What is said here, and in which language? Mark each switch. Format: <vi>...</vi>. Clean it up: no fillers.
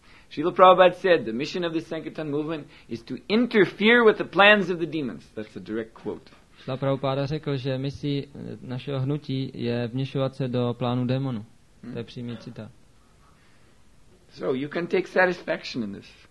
<en>Srila Prabhupada said, the mission of the Sankirtan movement is to interfere with the plans of the demons. That's a direct quote.</en> <cs>Srila Prabhupada řekl, že misí našeho hnutí je vměšovat se do plánu démonu. To je přímý citát.</cs> <en>So you can take satisfaction in this.</en>